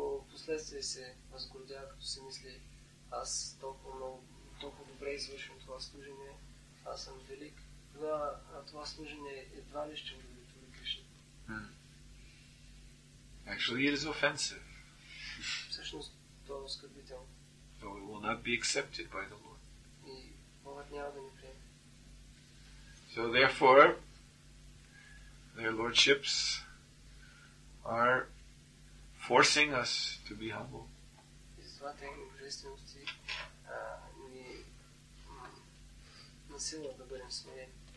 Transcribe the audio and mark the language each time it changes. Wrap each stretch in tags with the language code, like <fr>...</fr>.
<bg>последствие се възгордява, като се мисли, аз толкова много, толкова добре извършвам това служение, аз съм велик, тогава това служение едва ли ще удовлетвори Кришна.</bg> <en>Actually, it is offensive.</en> <bg>Всъщност, това е оскърбително.</bg> <en>So it will not be accepted by the Lord.</en> <bg>И Богът няма да ни приеме.</bg> <en>So therefore, their lordships are forcing us to be humble.</en> <bg>И затова техни божественности ни насилват да бъдем смирени.</bg>